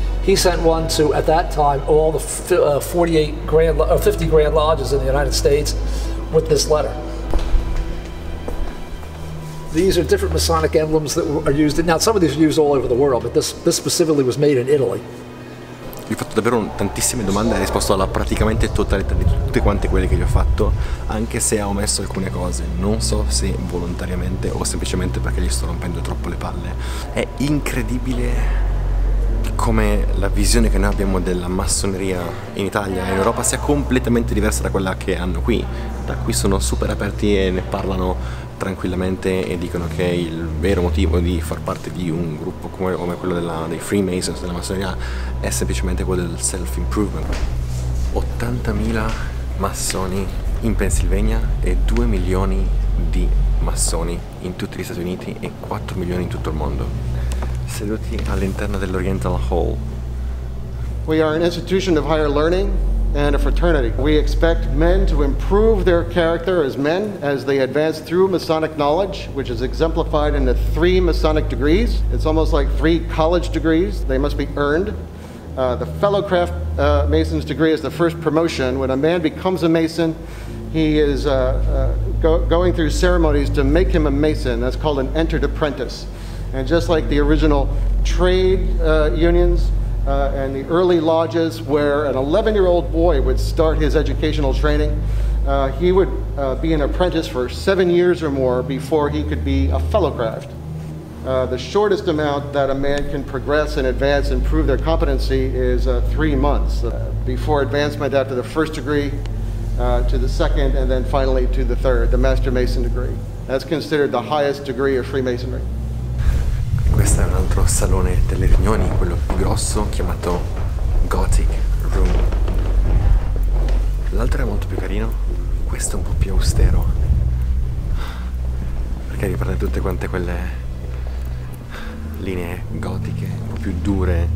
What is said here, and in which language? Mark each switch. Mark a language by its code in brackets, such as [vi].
[en] He sent one to, at that time, all the 50 Grand Lodges in the United States with this letter. These are different Masonic emblems that are used. Now, some of these are used all over the world, but this specifically was made in Italy. [it] Gli ho fatto davvero tantissime domande e risposto alla praticamente totalità di tutte quante quelle che gli ho fatto, anche se ha omesso alcune cose, non so se volontariamente o semplicemente perché gli sto rompendo troppo le palle. È incredibile come la visione che noi abbiamo della massoneria in Italia e in Europa sia completamente diversa da quella che hanno qui. Da qui sono super aperti e ne parlano tranquillamente e dicono che il vero motivo di far parte di un gruppo come quello dei Freemasons, della massoneria, è semplicemente quello del self-improvement. 80.000 massoni in Pennsylvania e 2 milioni di massoni in tutti gli Stati Uniti e 4 milioni in tutto il mondo. Seduti all'interno dell'Oriental Hall. [en] We are an institution of higher learning and a fraternity. We expect men to improve their character as men as they advance through Masonic knowledge, which is exemplified in the 3 Masonic degrees. It's almost like 3 college degrees. They must be earned. The Fellowcraft Mason's degree is the first promotion. When a man becomes a Mason, he is going through ceremonies to make him a Mason. That's called an entered apprentice. And just like the original trade unions and the early lodges where an 11-year-old boy would start his educational training, he would be an apprentice for 7 years or more before he could be a fellow craft. The shortest amount that a man can progress and advance and prove their competency is 3 months before advancement after the first degree to the second and then finally to the third, the Master Mason degree. That's considered the highest degree of Freemasonry. [it] Questo è un altro salone delle riunioni, quello più grosso, chiamato Gothic Room. L'altro è molto più carino, questo è un po' più austero. Perché riprende tutte quante quelle linee gotiche, un po' più dure.